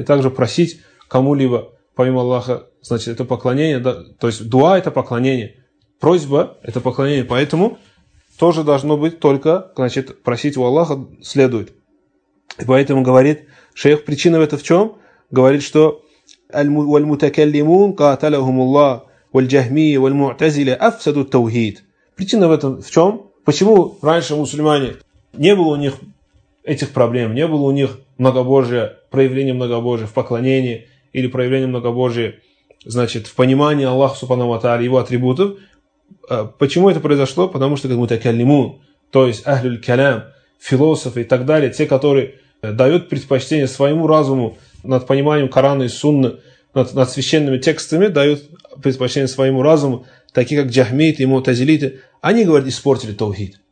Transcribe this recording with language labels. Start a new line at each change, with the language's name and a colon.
Russian: И также просить кому-либо, помимо Аллаха, значит, это поклонение. Да, то есть, дуа – это поклонение. Просьба – это поклонение. Поэтому тоже должно быть только, значит, просить у Аллаха следует. И поэтому говорит шейх, причина в этом в чем? Говорит, что
Arabic: والمتكلمون قاتلهم الله والجهمية والمعتزلة أفسدوا التوحيد.
Russian: Причина в этом в чем? Почему раньше мусульмане не было у них этих проблем, не было у них многобожия, проявления многобожия в поклонении или проявления многобожия, значит, в понимании Аллаха субхана ва тааля, его атрибутов. Почему это произошло? Потому что المتكلمون, то есть ахлюль калям, философы и так далее, те, которые дают предпочтение своему разуму над пониманием Корана и Сунны, над священными текстами, дают предпочтение своему разуму, такие как джахмиты и мутазилиты, они, говорят, испортили таухид.